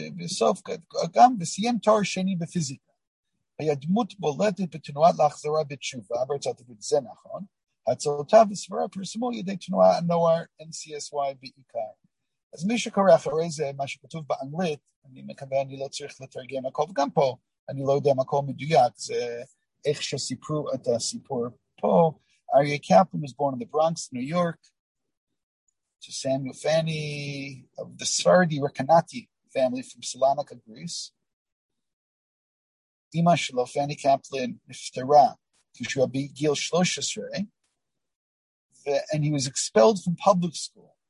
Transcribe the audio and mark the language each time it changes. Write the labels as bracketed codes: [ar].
[he] בסוף, גם בסיים תואר שני בפיזיקה, היה דמות בולטת בתנועת להחזרה בתשובה, ברצת את זה נכון, הצלותה וסברה פרסמו ידי תנועה הנוער NCSY בעיקר. אז מי שקורא אחרי זה, מה שכתוב באנגלית, אני מקווה אני לא צריך לתרגם הכל, וגם פה אני לא יודע מקום מדויק, זה איך שסיפרו את הסיפור פה. [en] אריה קפלן was born in the Bronx, New York, to Samuel Fanny, of the Sfardi Rakanati family from Salonika, Greece. [he] אמא שלו, פני קפלן, נפטרה, כשהוא בגיל 13, [en] and he was expelled from public school.